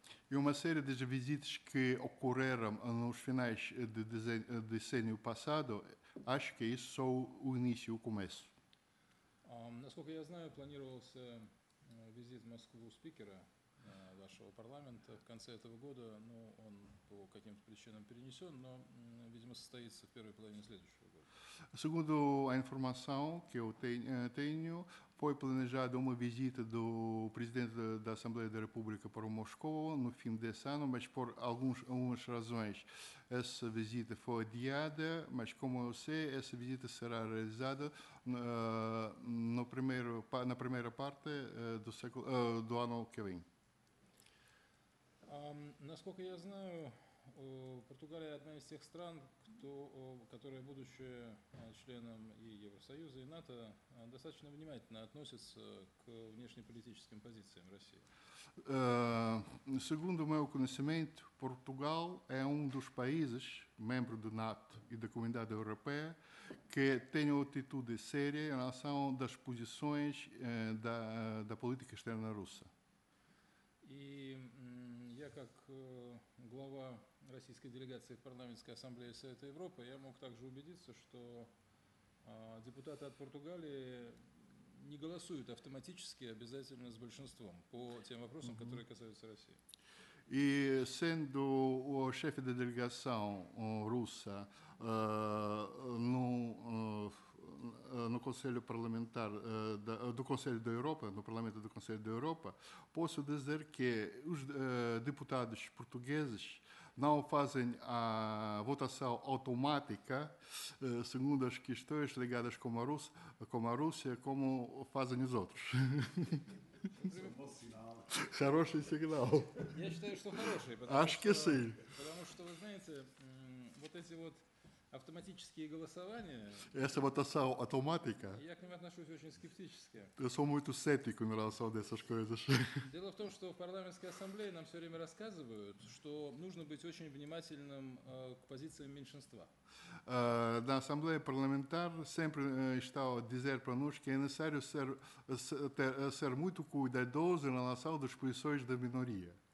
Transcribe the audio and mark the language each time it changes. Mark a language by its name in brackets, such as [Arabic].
[Portuguese] E uma série de visitas que ocorreram nos finais do decênio passado, acho que isso só o início, o começo. [Russian] Насколько я знаю, планировался визит в Москву спикера вашего парламента в конце этого года, но он по каким-то причинам перенесен, но, видимо, состоится в первой половине следующего года. [Portuguese] Segundo a informação que eu tenho, foi planejada uma visita do presidente da Assembleia da República para o Moscou no fim desse ano, mas por algumas razões essa visita foi adiada, mas como eu sei, essa visita será realizada na primeira parte do, do ano que vem. [Russian] Насколько я знаю, Португалия одна из тех стран, которая, будучи членом и Евросоюза, и НАТО, достаточно внимательно относится к внешнеполитическим позициям России. [Portuguese] Segundo o meu conhecimento, Portugal é dos países, membro do NATO e da Comunidade Europeia, que tem uma atitude séria em relação às posições da política externa russa. [Russian] И я, как глава российской делегации в парламентской ассамблее Совета Европы, я мог также убедиться, что депутаты от Португалии не голосуют автоматически, обязательно с большинством по тем вопросам, mm-hmm. которые касаются России. [Portuguese] И, sendo o chefe de delegação russa no Conselho Parlamentar do Conselho da Europa, no Parlamento do Conselho da Europa, posso dizer que os deputados portugueses não fazem a votação automática segundo as questões ligadas com a Rússia, como fazem os outros. [Russian] Хороший сигнал. Я считаю, что хороший. Потому что, вы знаете, вот эти вот автоматические голосования... [Portuguese] Essa votação automática... [Russian] Я к ним отношусь очень скептически. [Portuguese] Eu sou muito cético em relação a essas coisas. [Russian] Дело в том, что в парламентской ассамблее нам все время рассказывают, что нужно быть очень внимательным к позициям меньшинства. [Portuguese] Na Assembleia Parlamentar sempre estava a dizer para nós que é necessário ser muito cuidadoso em relação às posições da minoria.